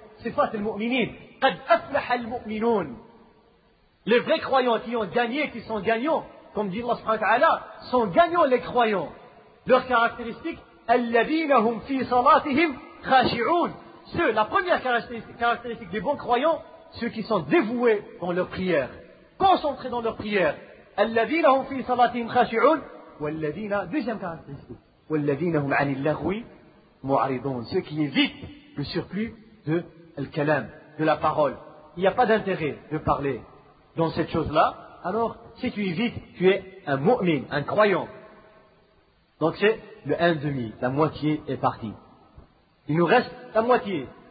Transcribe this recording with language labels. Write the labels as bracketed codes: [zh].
[ar] Sifat al-mu'minin, qad aflaha al-mu'minun. [fr] Les vrais croyants qui ont gagné, qui sont gagnants, comme dit Allah [ar] subhanahu wa ta'ala, [fr] sont gagnants les croyants. Leurs caractéristiques, [ar] alladhina hum fi salatihim khashi'un. [fr] La première caractéristique des bons croyants, ceux qui sont dévoués dans leur prière, concentrés dans leur prière. [ar] الذين هم في صلاتهم خاشعون والذين [fr] deuxième caractéristique [ar] والذين هم عن اللغو معرضون. [fr] Ceux qui évitent le surplus de الكلام, de la parole. Il n'y a pas d'intérêt de parler dans cette chose là alors si tu évites, tu es un mu'min, un croyant. Donc c'est le 1/2, la moitié est partie. Il nous reste la moitié.